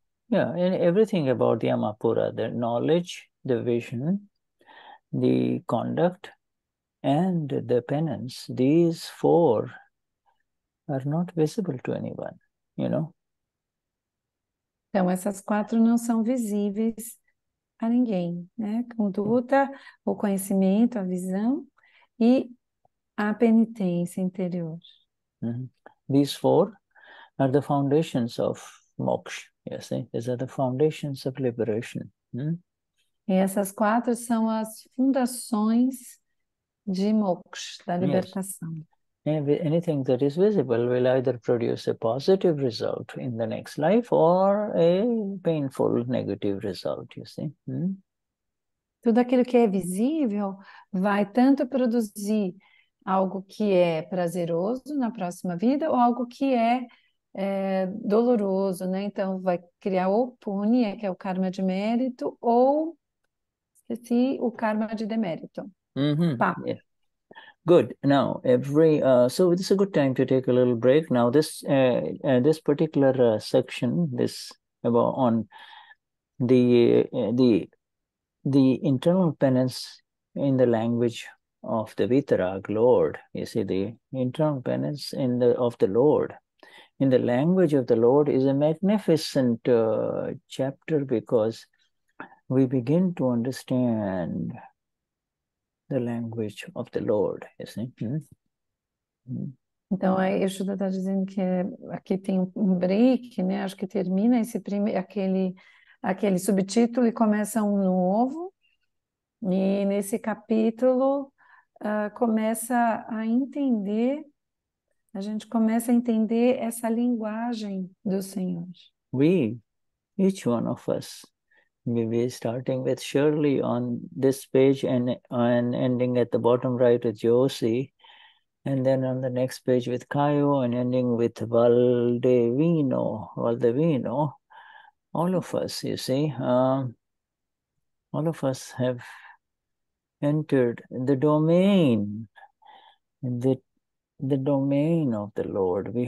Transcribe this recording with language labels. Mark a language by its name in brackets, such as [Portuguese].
[English] And everything about the Amapura, the knowledge, the vision, the conduct, and the penance, these four are not visible to anyone, you know. [Portuguese] Então, essas quatro não são visíveis a ninguém, né? Conduta, o conhecimento, a visão e a penitência interior. [English] These four are the foundations of moksha. Yes, these are the foundations of liberation. [Portuguese] E essas quatro são as fundações de moksha, da [English] Yes. [Portuguese] libertação. [English] Anything that is visible will either produce a positive result in the next life or a painful negative result, you see. [Portuguese] Tudo aquilo que é visível vai tanto produzir algo que é prazeroso na próxima vida ou algo que é doloroso, né? Então vai criar ou punya, que é o karma de mérito, ou esqueci, o karma de demérito. Pá. [English] Good. Now, so this is a good time to take a little break. Now, this particular section, this about on the internal penance in the language of the Vitarag Lord. You see, the internal penance of the Lord, in the language of the Lord, is a magnificent chapter because we begin to understand the language of the Lord, isn't [Portuguese] Então, a Yashoda está dizendo que aqui tem um break, né? Acho que termina esse primeiro, aquele subtítulo e começa um novo. E nesse capítulo, começa a entender, a gente começa a entender essa linguagem do Senhor. [English] we, each one of us. Maybe starting with Shirley on this page and ending at the bottom right with Josie, and then on the next page with Caio and ending with Valdevino, all of us, you see, all of us have entered the domain of the Lord.